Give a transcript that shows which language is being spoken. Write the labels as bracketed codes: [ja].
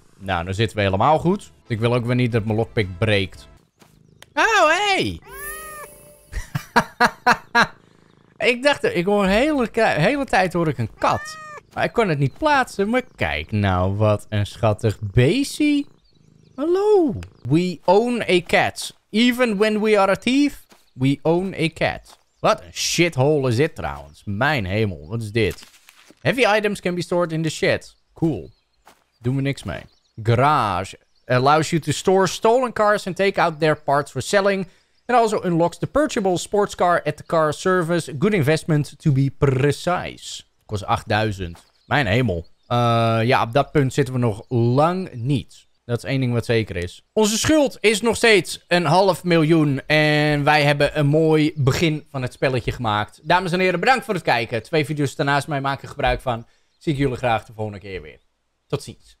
[nl] Nou, dan zitten we helemaal goed. Ik wil ook weer niet dat mijn lockpick breekt. Oh, hey! Ik dacht, ik hoor hele tijd hoor ik een kat. Maar ik kon het niet plaatsen. Maar kijk nou, wat een schattig beestje. [en] Hallo. We own a cat. Even when we are a thief, we own a cat. [nl] Wat een shithole is dit trouwens. Mijn hemel, wat is dit? [en] Heavy items can be stored in the shed. Cool. [nl] Doen we niks mee. [en] Garage. Allows you to store stolen cars and take out their parts for selling. It also unlocks the purchasable sports car at the car service. Good investment to be precise. [nl] Kost 8000. Mijn hemel. Ja, op dat punt zitten we nog lang niet. Dat is 1 ding wat zeker is. Onze schuld is nog steeds 500.000. En wij hebben een mooi begin van het spelletje gemaakt. Dames en heren, bedankt voor het kijken. 2 video's daarnaast mij maken gebruik van. Zie ik jullie graag de volgende keer weer. Tot ziens.